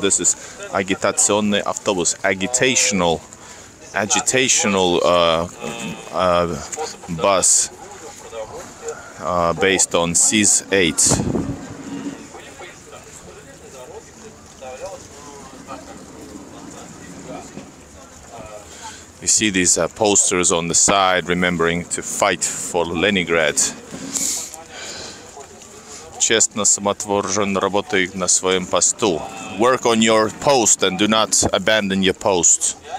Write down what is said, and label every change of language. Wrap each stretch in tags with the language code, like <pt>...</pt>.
<en>This is Agitazione Autobus, agitational bus based on CIS 8. You see these posters on the side remembering to fight for Leningrad.</en> <ru>Честно самотвержен работай на своем посту.</ru> <en>Work on your post and do not abandon your post.</en>